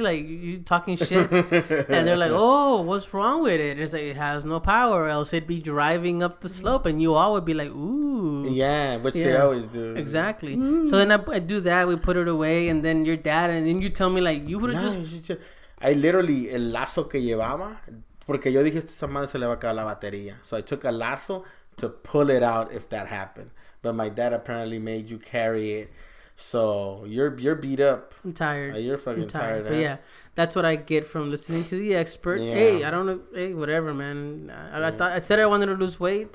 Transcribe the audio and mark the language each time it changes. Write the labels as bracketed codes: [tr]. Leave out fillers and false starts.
[en] Like, you talking shit? And they're like, oh, what's wrong with it? And it's like, it has no power, or else it'd be driving up the slope. And you all would be like, ooh. Yeah, which they always do. Exactly. Mm. So then I do that. We put it away. And then your dad, and then you tell me, like, you would have I literally, [es] el lazo que llevaba, porque yo dije, esta madre se le va a acabar la batería. [en] So I took a lazo to pull it out if that happened. But my dad apparently made you carry it. So you're beat up. I'm tired. You're fucking tired. Huh? But yeah, that's what I get from listening to the expert. Yeah. Hey, I don't know. Hey, whatever, man. I said I wanted to lose weight.